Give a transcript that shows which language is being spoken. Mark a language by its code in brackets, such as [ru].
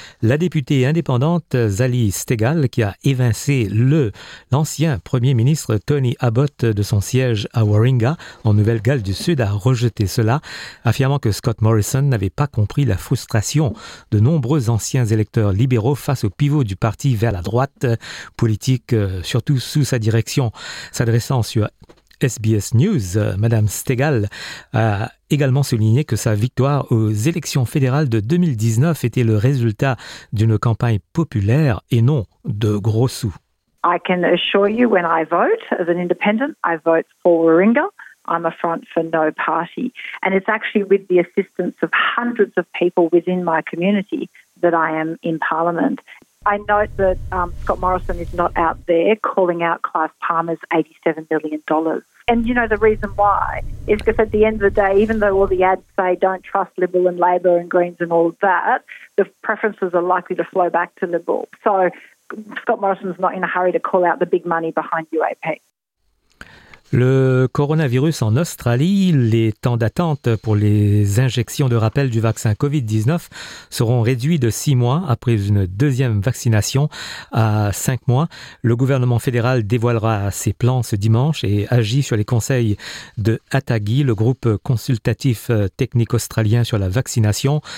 [fr] La députée indépendante Zali Stegall, qui a évincé l'ancien Premier ministre Tony Abbott de son siège à Warringah, en Nouvelle-Galles du Sud, a rejeté cela, affirmant que Scott Morrison n'avait pas compris la frustration de nombreux anciens électeurs libéraux face au pivot du parti vers la droite politique, surtout sous sa direction. S'adressant sur SBS News, Madame Stegall a également souligné que sa victoire aux élections fédérales de 2019 était le résultat d'une campagne populaire et non de gros sous. [en] I can assure you when I vote as an independent, I vote for Warringah. I'm a front for no party. And it's actually with the assistance of hundreds of people within my community that I am in Parliament. I note that Scott Morrison is not out there calling out Clive Palmer's $87 million. And you know the reason why is because at the end of the day, even though all the ads say don't trust Liberal and Labor and Greens and all of that, the preferences are likely to flow back to Liberal. So Scott Morrison's not in a hurry to call out the big money behind UAP. [fr] Le coronavirus en Australie, les temps d'attente pour les injections de rappel du vaccin COVID-19 seront réduits de 6 mois après une deuxième vaccination à 5 mois. Le gouvernement fédéral dévoilera ses plans ce dimanche et agit sur les conseils de ATAGI, le groupe consultatif technique australien sur la vaccination.